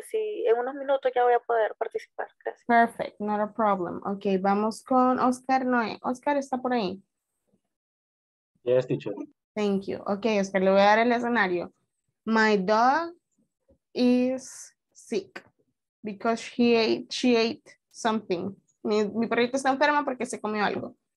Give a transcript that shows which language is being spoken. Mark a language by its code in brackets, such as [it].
[es] Si en unos minutos ya voy a poder participar. Gracias. [en] Perfect, not a problem. Ok, [es] vamos con [en] Oscar Noé. [es] Oscar está por ahí. [en] Yes, teacher. Thank you. [es] Ok, Oscar, le voy a dar el escenario. [en] My dog is sick because she ate something. [es] Mi perrito está enferma porque se comió algo.